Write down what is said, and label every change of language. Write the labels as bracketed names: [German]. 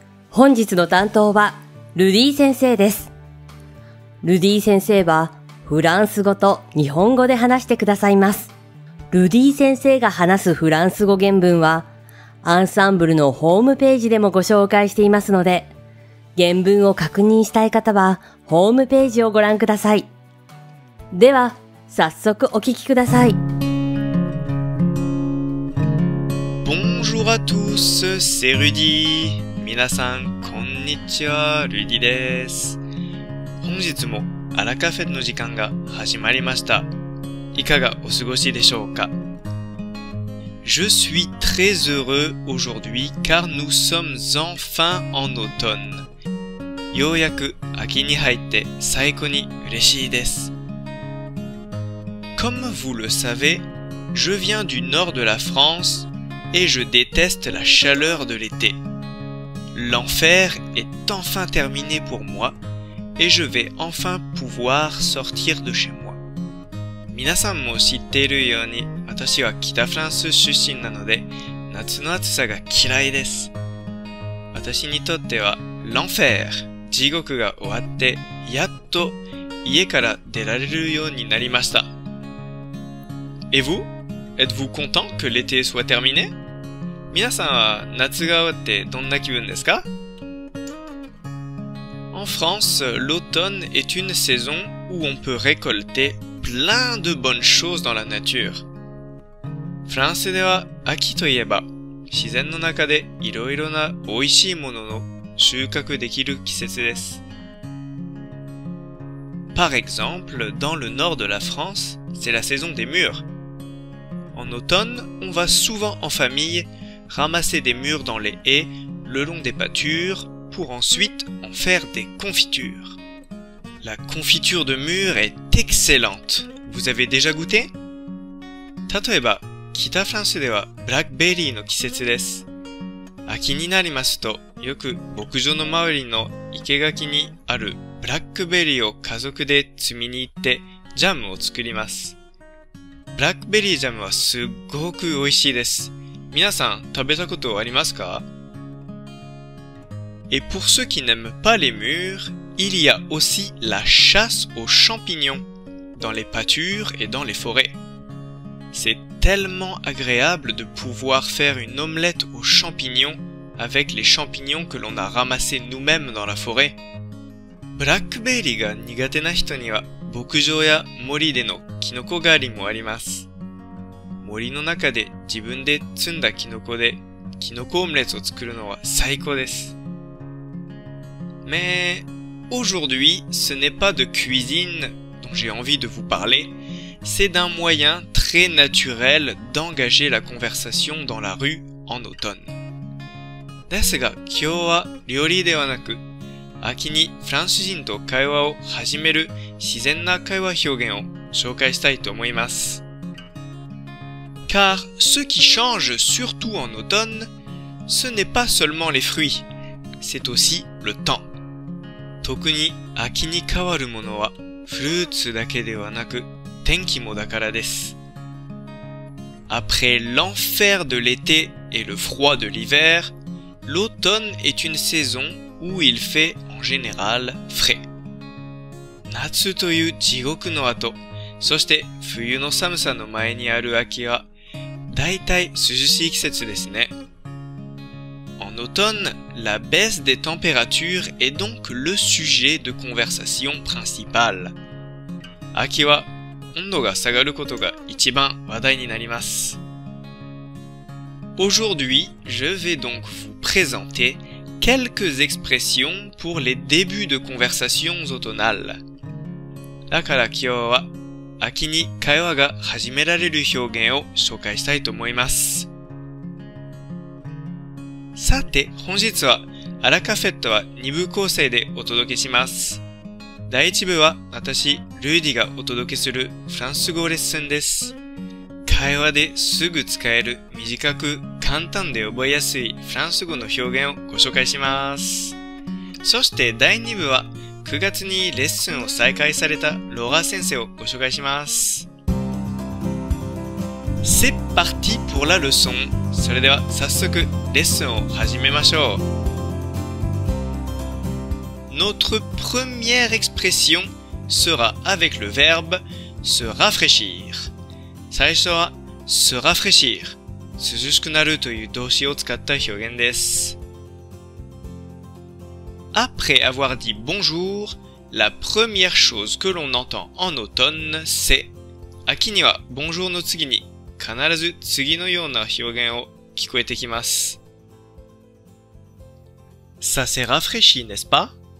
[Japanese] 本日の担当はルディ先生です。ルディ先生はフランス語と日本語で話してくださいます。ルディ先生が話すフランス語原文はアンサンブルのホームページでもご紹介していますので、原文を確認したい方はホームページをご覧ください。では早速お聞きください。 [French] Bonjour à tous, c'est Rudy. [Japanese] 皆さんこんにちは、ルディです。本日もアラカフェの時間が始まりました。いかがお過ごしでしょうか。 [French] Je suis très heureux aujourd'hui car nous sommes enfin en automne. [Japanese] ようやく秋に入って最高に嬉しいです。 [French] Comme vous le savez, je viens du nord de la France et je déteste la chaleur de l'été. L'enfer est enfin terminé pour moi et je vais enfin pouvoir sortir de chez moi. [Japanese] 皆さんも知っているように、私は北フランス出身なので、夏の暑さが嫌いです。私にとっては、l'enfer、地獄が終わって、やっと家から出られるようになりました。 [French] Et vous? Êtes-vous content que l'été soit terminé? [Japanese] 皆さんは夏が終わってどんな気分ですか? [French] En France, l'automne est une saison où on peut récolter plein de bonnes choses dans la nature. [Japanese] フランスでは秋といえば、自然の中でいろいろな美味しいものを収穫できる季節です。 [French] Par exemple, dans le nord de la France, c'est la saison des mûres. En automne, on va souvent en famille ramasser des mûres dans les haies le long des pâtures pour ensuite en faire des confitures. La confiture de mûres est excellente. Vous avez déjà goûté? [Japanese] 例えば、北フランスではブラックベリーの季節です。秋になりますと、よく牧場の周りの生垣にあるブラックベリーを家族で摘みに行ってジャムを作ります。ブラックベリージャムはすっごく美味しいです。皆さん食べたことありますか? [French] Et pour ceux qui n'aiment pas les mûres, il y a aussi la chasse aux champignons dans les pâtures et dans les forêts. C'est tellement agréable de pouvoir faire une omelette aux champignons avec les champignons que l'on a ramassés nous-mêmes dans la forêt. [Japanese] ブラックベリーが苦手な人には牧場や森でのキノコ狩りもあります。森の中で自分で摘んだキノコでキノコオムレツを作るのは最高です。 [French] Mais aujourd'hui, ce n'est pas de cuisine dont j'ai envie de vous parler, c'est d'un moyen très naturel d'engager la conversation dans la rue en automne. [Japanese] ですが、今日は料理ではなく、秋にフランス人と会話を始める自然な会話表現を紹介したいと思います。 [French] Car ce qui change surtout en automne, ce n'est pas seulement les fruits, c'est aussi le temps. [Japanese] 特に秋に変わるものはフルーツだけではなく天気もだからです。 [French] Après l'enfer de l'été et le froid de l'hiver, l'automne est une saison où il fait en général frais. [Japanese] 夏という地獄の後、そして冬の寒さの前にある秋は、だいたい涼しい季節ですね。 [French] En automne, la baisse des températures est donc le sujet de conversation principale. [Japanese] 秋は温度が下がることが一番話題になります。 [French] Aujourd'hui, je vais donc vous présenter quelques expressions pour les débuts de conversations automnales. [Japanese] だから今日は秋に会話が始められる表現を紹介したいと思います。さて本日はアラカフェットは2部構成でお届けします。第1部は私ルーディがお届けするフランス語レッスンです。会話ですぐ使える短く簡単で覚えやすいフランス語の表現をご紹介します。そして第2部は9月にレッスンを再開されたロガ先生をご紹介します。 [French] C'est parti pour la leçon。 [Japanese] それでは早速レッスンを始めましょう。 [French] Notre première expression sera avec le verbe se rafraîchir。 [Japanese] 最初は se rafraîchir、 涼しくなるという動詞を使った表現です。 [French] Après avoir dit bonjour, la première chose que l'on entend en automne, c'est… [Japanese] 秋には bonjour の次に必ず次のような表現を聞こえてきます。 [French] Ça s'est rafraîchi, n'est-ce pas?